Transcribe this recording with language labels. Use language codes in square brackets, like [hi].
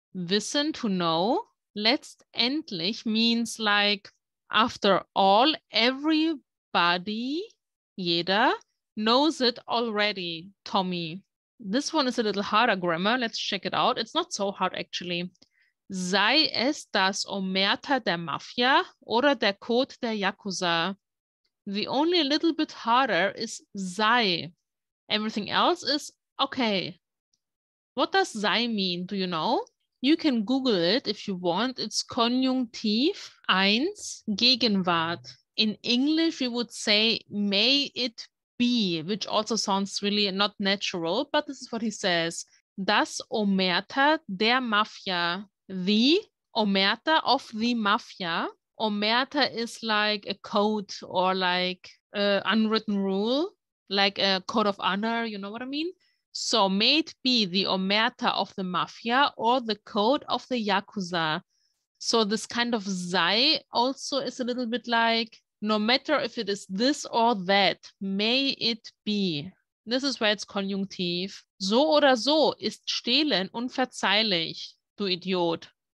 [en] Wissen, to know. Letztendlich means like, after all, everybody, jeder, knows it already, Tommy. This one is a little harder grammar. Let's check it out. It's not so hard, actually. [de] Sei es das Omerta der Mafia oder der Code der Yakuza. [en] The only a little bit harder is sei. Everything else is okay. What does sei mean? Do you know? You can Google it if you want. It's Konjunktiv I, Gegenwart. In English, we would say may it be, which also sounds really not natural, but this is what he says. [de] Das Omerta der Mafia. [en] The Omerta of the Mafia. Omerta is like a code or like an unwritten rule, like a code of honor, you know what I mean? So may it be the Omerta of the Mafia or the code of the Yakuza. So this kind of sei also is a little bit like, no matter if it is this or that, may it be. This is why it's konjunktiv. [de] So oder so ist stehlen unverzeihlich, du Idiot.